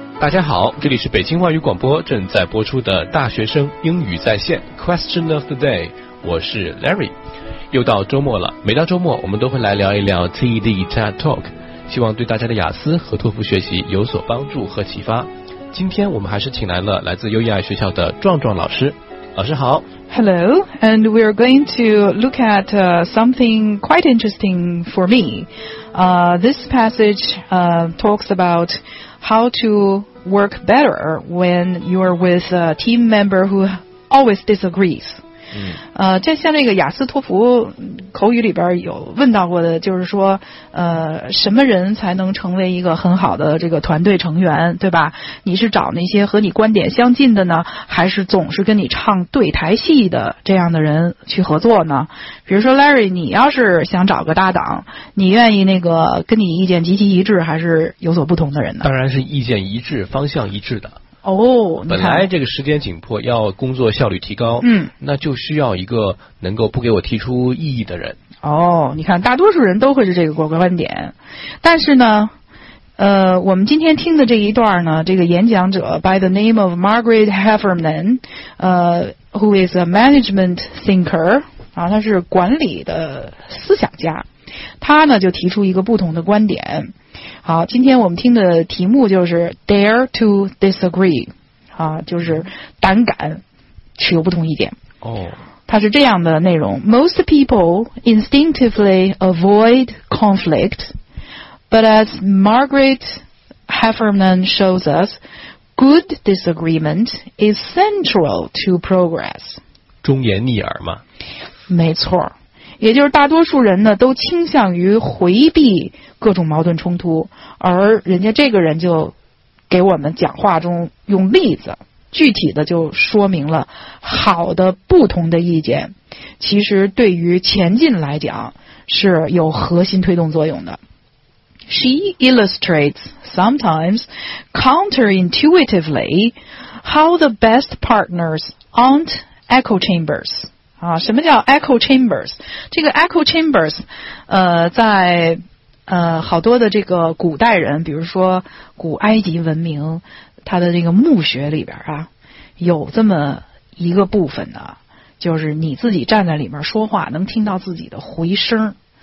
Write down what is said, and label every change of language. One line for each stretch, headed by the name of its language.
Chinese: 家好，这里是北京外语广播正在播出的大学生英语在线 Question of the Day， 我是 Larry。又到周末了，每到周末我们都会来聊一聊 TED TED Talk， 希望对大家的雅思和托福学习有所帮助和启发。今天我们还是请来了来自优EI学校的壮壮老师。老师好。
English: Hello, and we are going to look at something quite interesting for me. This passage talks about how to work better when you are with a team member who always disagrees.
Chinese: 这像那个雅思托福口语里边有问到过的，就是说什么人才能成为一个很好的这个团队成员，对吧？你是找那些和你观点相近的呢，还是总是跟你唱对台戏的这样的人去合作呢？比如说 Larry， 你要是想找个搭档，你愿意那个跟你意见极其一致还是有所不同的人呢？当然是意见一致方向一致的。哦，本来这个时间紧迫，要工作效率提高，那就需要一个能够不给我提出异议的人。哦，你看，大多数人都会是这个观点，但是呢，我们今天听的这一段呢，这个演讲者
English: by the name of Margaret Heffernan， who is a management thinker，
Chinese: 啊，他是管理的思想家，他呢就提出一个不同的观点。好，今天我们听的题目就是 Dare to Disagree， 啊，就是胆敢持有不同意见。它是这样的内容：
English: Most people instinctively avoid conflict, but as Margaret Heffernan shows us, good disagreement is central to progress.
Chinese: 忠言逆耳嘛。没错，也就是大多数人呢都倾向于回避各种矛盾冲突，而人家这个人就给我们讲话中用例子具体的就说明了好的不同的意见其实对于前进来讲是有核心推动作用的。
English: She illustrates sometimes counterintuitively how the best partners aren't echo chambers。
Chinese: 啊，什么叫 echo chambers？这个 echo chambers， 在好多的这个古代人，比如说古埃及文明，它的这个墓穴里边啊，有这么一个部分呢，就是你自己站在里面说话，能听到自己的回声。